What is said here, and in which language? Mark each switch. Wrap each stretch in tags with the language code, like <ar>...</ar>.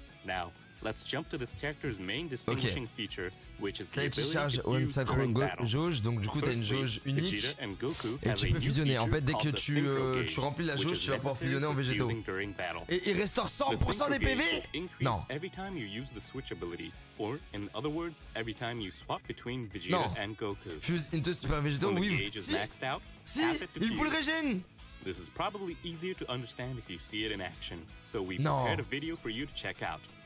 <en>Now, let's jump to this character's main distinguishing feature, which is</en> <fr>Saiyan qui charge une sacro jauge, donc du coup t'as une jauge unique et tu peux fusionner. En fait, dès que tu remplis la jauge, tu vas pouvoir fusionner en Vegeto. Et il restaure 100% des PV. Non.</fr> <en>Every time you use the switch ability, or in other words, every time you swap between Vegeta and Goku. Fuse into Super Vegeto.</en> <fr>Oui. Si. Il faut le régène.</fr> <en>This is probably easier to understand if you see it in action, so we prepared a video for you to check out.</en>